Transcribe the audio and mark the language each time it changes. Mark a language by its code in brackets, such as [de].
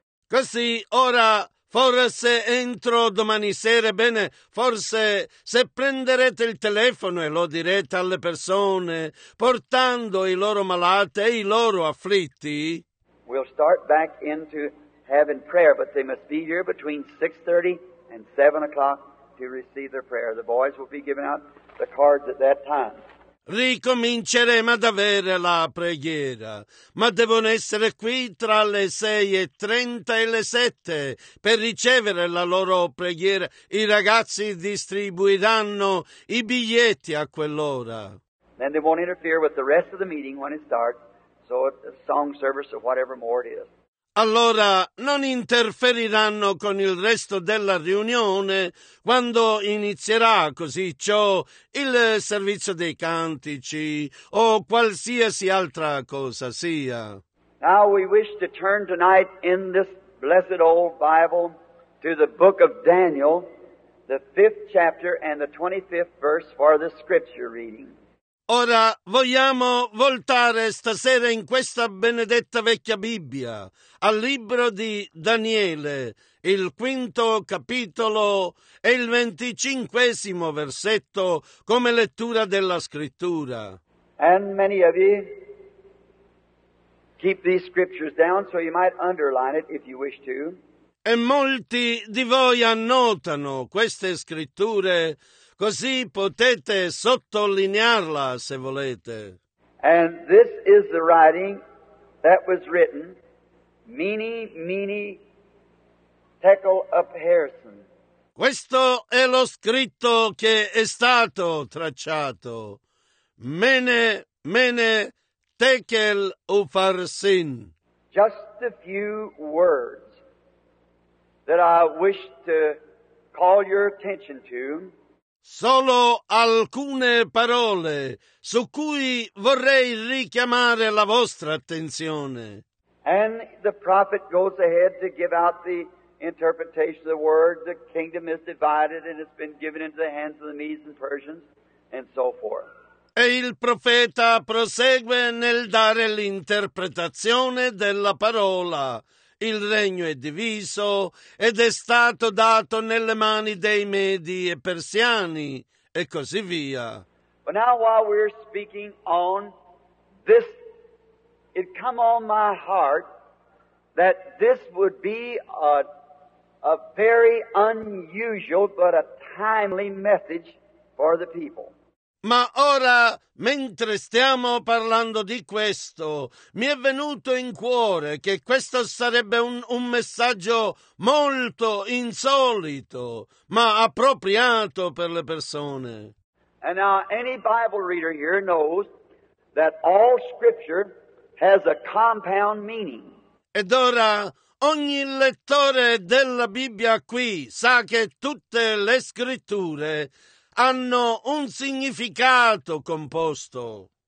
[it] Così, ora, forse entro domani sera, bene, forse se prenderete il telefono e lo direte alle persone, portando i loro malati e i loro afflitti. [en] We'll start back into having prayer, but they must be here between 6:30 and 7 o'clock to receive their prayer. The boys will be giving out the cards at that time. [it] Ricominceremo ad avere la preghiera, ma devono essere qui tra le 6:30 e le 7 per ricevere la loro preghiera. I ragazzi distribuiranno i biglietti a quell'ora. [en] Then they won't interfere with the rest of the meeting when it starts, so a song service or whatever more it is. [it] Allora non interferiranno con il resto della riunione quando inizierà così ciò il servizio dei cantici o qualsiasi altra cosa sia. [en] Now we wish to turn tonight in this blessed old Bible to the book of Daniel, the 5th chapter and the 25th verse for the scripture reading. [it] Ora vogliamo voltare stasera in questa benedetta vecchia Bibbia al libro di Daniele, il 5° capitolo e il 25° versetto come lettura della scrittura. [en] And many of you keep these scriptures down so you might underline it if you wish to. [it] E molti di voi annotano queste scritture. Così potete sottolinearla se volete. [en] And this is the writing that was written, Mene, Mene, Tekel, Upharsin. [it] Questo è lo scritto che è stato tracciato. Mene, Mene, Tekel, Upharsin. [en] Just a few words that I wish to call your attention to. [it] Solo alcune parole su cui vorrei richiamare la vostra attenzione. [en] And the prophet goes ahead to give out the interpretation of the word, the kingdom is divided and it's been given into the hands of the Medes and Persians, and so forth. [it] E il profeta prosegue nel dare l'interpretazione della parola. Il regno è diviso ed è stato dato nelle mani dei Medi e Persiani, e così via. [en] But now while we're speaking on this, it come on my heart that this would be a very unusual but a timely message for the people. [it] Ma ora, mentre stiamo parlando di questo, mi è venuto in cuore che questo sarebbe un messaggio molto insolito, ma appropriato per le persone. [en] And now any Bible reader here knows that all scripture has a compound meaning. [it] Ed ora, ogni lettore della Bibbia qui sa che tutte le scritture hanno un significato composto.